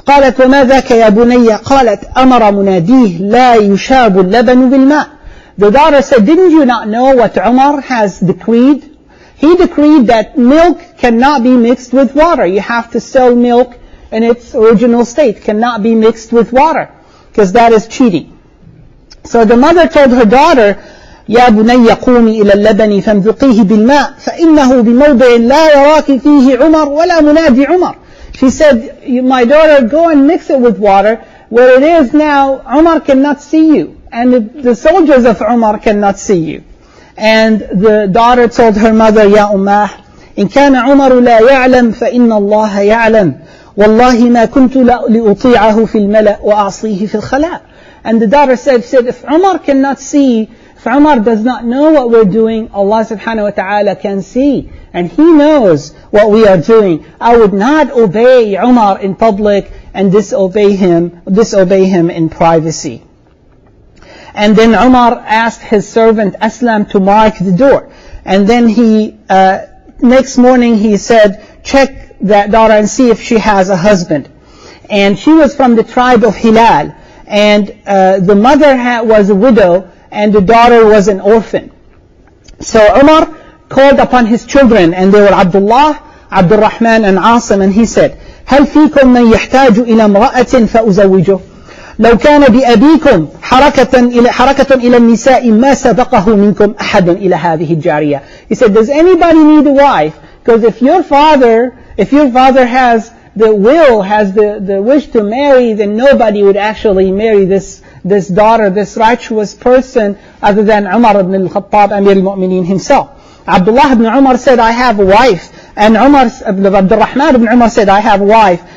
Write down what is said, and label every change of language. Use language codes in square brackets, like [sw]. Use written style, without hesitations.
[ar] قالت وما ذاك يا بني قالت أمر مناديه لا يشاب اللبن بالماء. [en] The daughter said, didn't you not know what Umar has decreed? He decreed that milk cannot be mixed with water. You have to sell milk in its original state. Cannot be mixed with water. Because that is cheating. So the mother told her daughter, [ar] يا بني قومي إلى اللبن فامذقيه بالماء فإنه بموضع لا يراك فيه عمر ولا منادي عمر. [en] She said, my daughter, go and mix it with water. Where it is now, Umar cannot see you. And the soldiers of Umar cannot see you. And the daughter told her mother, [ar] يا أماه إن كان عمر لا يعلم فإن الله يعلم والله ما كنت لأطيعه في الملأ وأعصيه في الخلاء. [en] And the daughter said, if Umar cannot see, if Umar does not know what we're doing, Allah subhanahu wa ta'ala can see. And he knows what we are doing. I would not obey Umar in public and disobey him in privacy. And then Umar asked his servant Aslam to mark the door. And then he, next morning he said, check that daughter and see if she has a husband. And she was from the tribe of Hilal. And the mother was a widow and the daughter was an orphan. So Umar called upon his children and they were Abdullah, Abdurrahman and Asim. And he said, [ar] هل فيكم من يحتاج إلى امرأة فأزوجه؟ لو كان بأبيكم حركة إلى النساء ما سبقه منكم أحد إلى هذه الجارية. [en] He said, does anybody need a wife? Because if your father has the will, has the wish to marry, then nobody would actually marry this daughter, this righteous person, other than Umar ibn al-Khattab, Amir al-Mu'mineen himself. Abdullah ibn Umar said, I have a wife. And Umar Abdurrahman ibn Umar said, I have a wife.